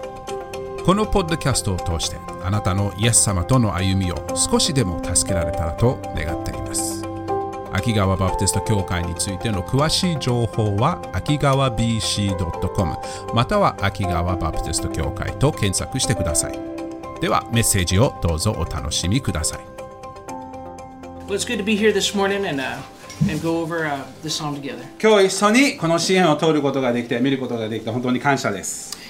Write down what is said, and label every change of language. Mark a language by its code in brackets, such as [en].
[ja] このポッドキャストを通してあなたのイエス様との歩みを少しでも助けられたらと願っています。秋川バプテスト教会についての詳しい情報は akigawabc.com または秋川バプテスト教会と検索してください。ではメッセージをどうぞお楽しみください。 [en] Well, it's good to be here this morning and go over this psalm together. [ja] 今日一緒にこの詩篇を通ることができて、見ることができて本当に感謝です。